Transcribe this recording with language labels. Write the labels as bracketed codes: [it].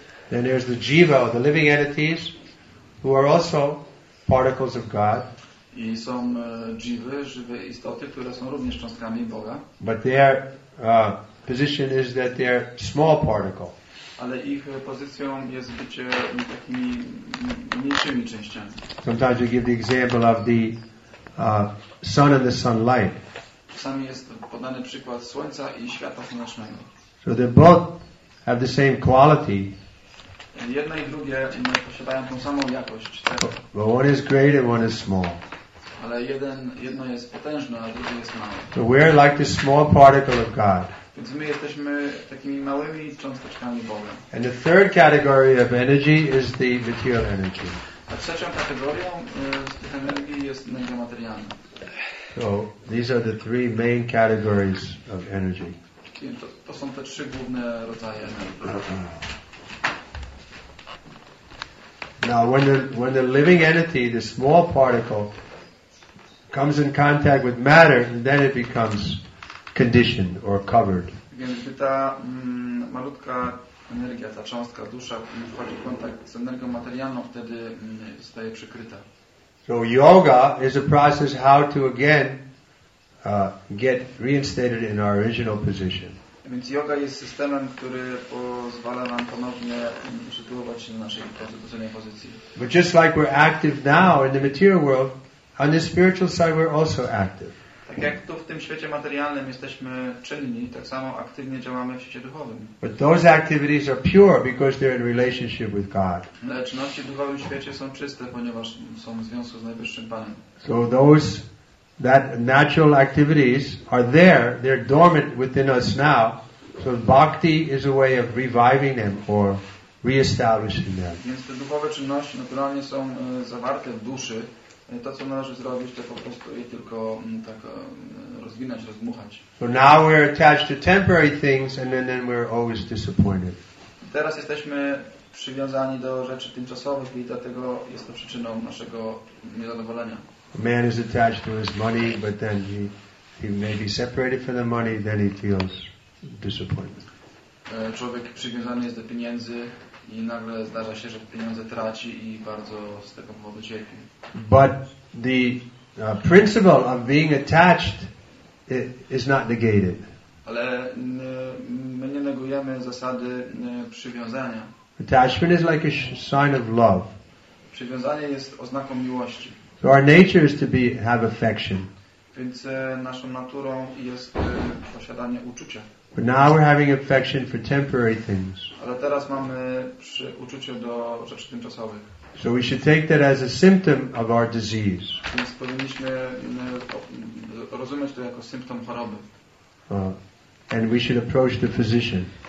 [en] Then there's the Jiva, the living entities, who are also particles of God. [pl] I są dżiwy, żywe istoty, które są również cząstkami Boga. [en] But their position is that they are small particle. [pl] Ale ich pozycją jest bycie takimi mniejszymi częściami. [en] Sometimes we give the example of the sun and the sunlight. [pl] Czasami jest podany przykład słońca i światła słonecznego. [en] So they both have the same quality. [pl] Jedna i drugie posiadają tą samą jakość. [en] But one is great and one is small. [pl] Ale jedno jest potężne, a drugie jest małe. [en] So we are like the small particle of God. [pl] Więc my jesteśmy takimi małymi cząsteczkami Boga. [en] And the third category of energy is the material energy. [pl] A trzecią kategorią z tych energii jest energia materialna. [en] So these are the three main categories of energy. [pl] To są te trzy główne rodzaje energii. [en] Now when the living entity, the small particle, comes in contact with matter, then it becomes conditioned or covered. [pl] Więc gdy ta malutka energia, ta cząstka, dusza wchodzi w kontakt z energią materialną, wtedy zostaje przykryta. [en] So yoga is a process how to again get reinstated in our original position. [pl] Więc yoga jest systemem, który pozwala nam ponownie usytuować się na naszej pozytywnej pozycji. [en] But just like we're active now in the material world, on the spiritual side we're also active. [pl] Tak jak tu w tym świecie materialnym jesteśmy czynni, tak samo aktywnie działamy w świecie duchowym. [en] But those activities are pure because they're in relationship with God. [pl] Ale czynności w duchowym świecie są czyste, ponieważ są w związku z Najwyższym Panem. [en] So those that natural activities are there, they're dormant within us now. So bhakti is a way of reviving them or reestablished in them. [pl] Więc te duchowe czynności naturalnie są zawarte w duszy. To, co należy zrobić, to po prostu je tylko tak rozwinąć, rozmuchać. [en] So now we're attached to temporary things, and then we're always disappointed. [pl] Teraz jesteśmy przywiązani do rzeczy tymczasowych i dlatego jest to przyczyną naszego niezadowolenia. [en] A man is attached to his money, but then he may be separated from the money, then he feels disappointed. [pl] Człowiek przywiązany jest do pieniędzy i nagle zdarza się, że pieniądze traci i bardzo z tego powodu cierpi. [en] But the principle of being attached is not negated. [pl] Ale my nie negujemy zasady przywiązania. [en] Attachment is like a sign of love. [pl] Przywiązanie jest oznaką miłości. [en] So our nature is to be have affection. [pl] Więc naszą naturą jest posiadanie uczucia. [en] But now we're having affection for temporary things. [pl] Ale teraz mamy uczucie do rzeczy tymczasowych. [en] So we should take that as a symptom of our disease. [pl] Więc powinniśmy rozumieć to jako symptom choroby. [en] And we should approach the physician.